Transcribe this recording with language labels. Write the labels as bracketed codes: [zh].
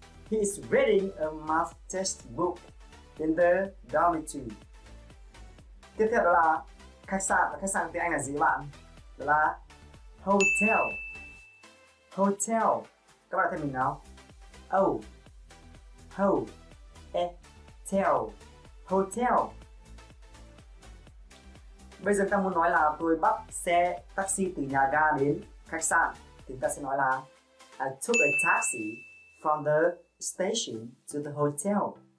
[en] He is reading a math textbook in the dormitory. [vi] Tiếp theo đó là khách sạn. Khách sạn tiếng Anh là gì bạn? Đó là hotel. Hotel. Các bạn thấy mình nào. [en] Hotel. Hotel. [vi] Bây giờ ta muốn nói là tôi bắt xe taxi từ nhà ga đến khách sạn. Thì ta sẽ nói là [en] I took a taxi from the station to the hotel.